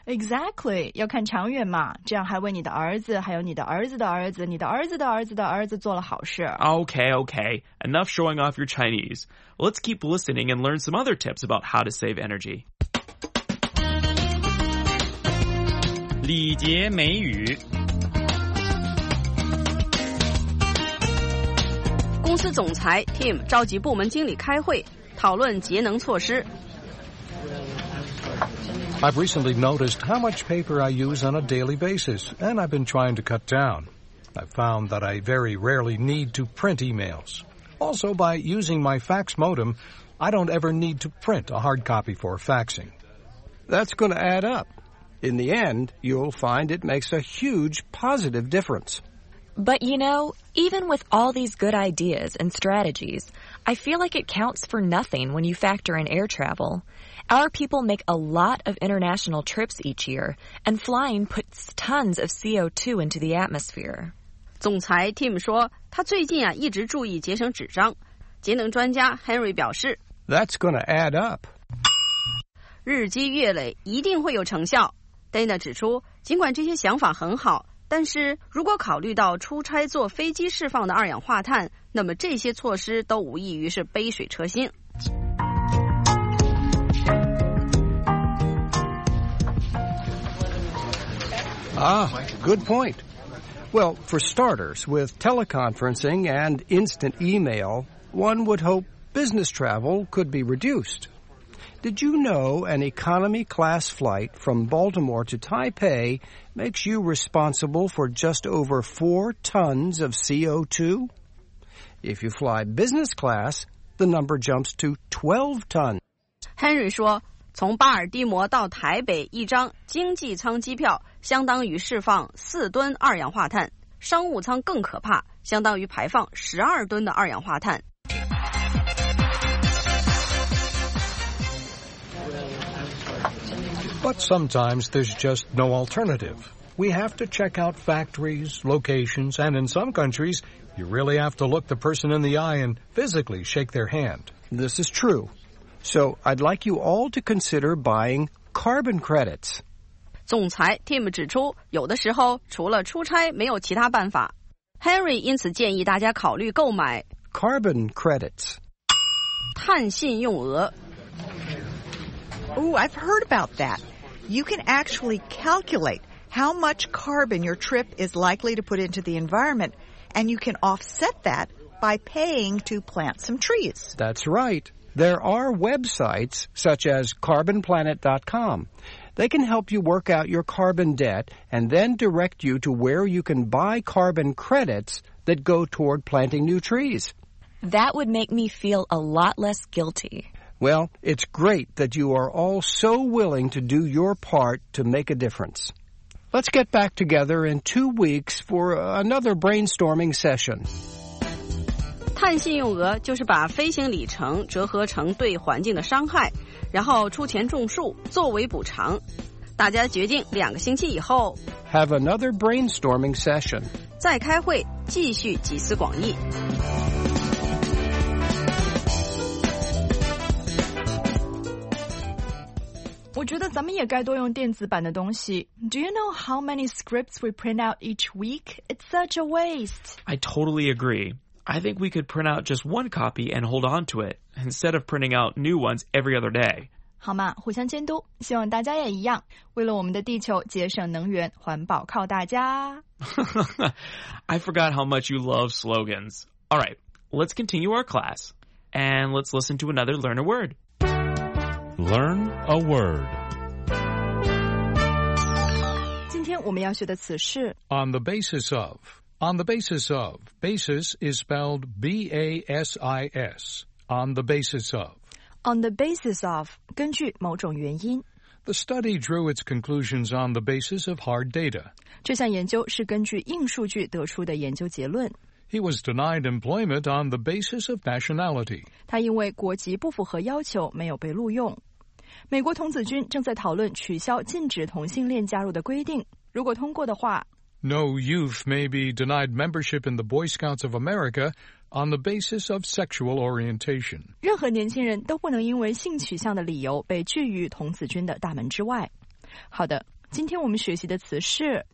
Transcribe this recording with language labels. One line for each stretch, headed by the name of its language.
English: Exactly.
Chinese: 要看长远嘛，这样还为你的儿子，还有你的儿子的儿子，你的儿子的儿子的儿子做了好事。
English: Okay, okay. Enough showing off your Chinese. Let's keep listening and learn some other tips about how to save energy.
Chinese: 礼节美语公司总裁 Tim 召集部门经理开会，讨论节能措施。
English: I've recently noticed how much paper I use on a daily basis, and I've been trying to cut down. I've found that I very rarely need to print emails. Also, by using my fax modem, I don't ever need to print a hard copy for faxing. That's going to add up. In the end, you'll find it makes a huge positive difference. But, you know, even with all these good ideas and strategies, I feel like it counts for nothing when you factor in air travel. Our people make a lot of international trips each year, and flying puts tons of CO2 into the atmosphere.
Chinese: 总裁 Tim 说，他最近啊一直注意节省纸张。节能专家 Henry 表示
English: That's going to add up.
Chinese: 日积月累一定会有成效。Dana 指出，尽管这些想法很好，但是如果考虑到出差坐飞机释放的二氧化碳，那么这些措施都无异于是杯水车薪。
English: Ah, good point. Well, for starters, with teleconferencing and instant email, one would hope business travel could be reduced. Did you know an economy class flight from Baltimore to Taipei makes you responsible for just over 4 tons of CO2? If you fly business class, the number jumps to 12 tons.
Chinese: Henry 说，从巴尔的摩到台北一张经济舱机票相当于释放4吨二氧化碳，商务舱更可怕，相当于排放12吨的二氧化碳。
English: But sometimes there's just no alternative. We have to check out factories, locations, and in some countries, you really have to look the person in the eye and physically shake their hand. This is true. So I'd like you all to consider buying carbon credits.
Chinese: 总裁 Tim 指出，有的时候除了出差没有其他办法。 Henry 因此建议大家考虑购买
English: carbon credits.
Chinese: 碳信用额。
English: Ooh, I've heard about that. you can actually calculate how much carbon your trip is likely to put into the environment, and you can offset that by paying to plant some trees. That's right. There are websites such as carbonplanet.com. They can help you work out your carbon debt and then direct you to where you can buy carbon credits that go toward planting new trees. That would make me feel a lot less guilty. Well, it's great that you are all so willing to do your part to make a difference. Let's get back together in 2 weeks for another brainstorming session.
Chinese: 碳信用额就是把飞行里程折合成对环境的伤害，然后出钱种树作为补偿。大家决定两个星期以后
English: Have another brainstorming session.
Chinese: 再开会，继续集思广益。我觉得咱们也该多用电子版的东西。
English: Do you know how many scripts we print out each week? It's such a waste. I totally agree. I think we could print out just one copy and hold on to it, instead of printing out new ones every other day.
Chinese: 好嘛，互相监督，希望大家也一样，为了我们的地球节省能源，环保靠大家。
English: I forgot how much you love slogans. All right, let's continue our class, and let's listen to another Learn a Word. Learn a word.
Chinese: 今天我们要学的词是
English: On the basis of. On the basis of. Basis is spelled B-A-S-I-S. On the basis of. On the basis of.
Chinese: 根据某种原因。
English: The study drew its conclusions on the basis of hard data.
Chinese: 这项研究是根据硬数据得出的研究结论。
English: He was denied employment on the basis of nationality.
Chinese: 他因为国籍不符合要求没有被录用。美国童子军正在讨论取消禁止同性恋加入的规定。如果通过的话
English: No youth may be denied membership in the Boy Scouts of America on the basis of sexual orientation.
Chinese: 任何年轻人都不能因为性取向的理由被拒于童子军的大门之外。好的，今天我们学习的词是